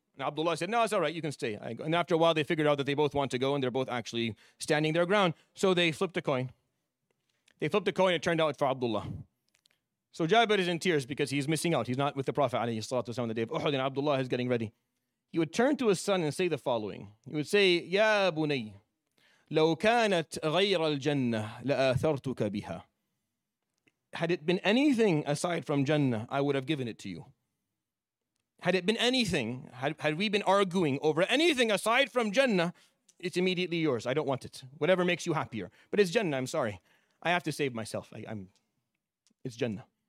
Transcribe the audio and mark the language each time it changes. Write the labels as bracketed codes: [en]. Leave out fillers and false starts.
[en] And Abdullah said, no, it's all right, you can stay. And after a while, they figured out that they both want to go, and they're both actually standing their ground. So they flipped a coin. They flipped a coin, it turned out for Abdullah. So Jabir is in tears because he's missing out. He's not with the Prophet alayhi salatu wasalam on the day of Uhud, and Abdullah is getting ready. He would turn to his son and say the following. He would say, [ar] Ya Bunay, لو كانت غير الجنة لآثرتك بها. [en] Had it been anything aside from Jannah, I would have given it to you. Had it been anything, had we been arguing over anything aside from Jannah, it's immediately yours. I don't want it. Whatever makes you happier. But it's Jannah, I'm sorry. I have to save myself. It's Jannah.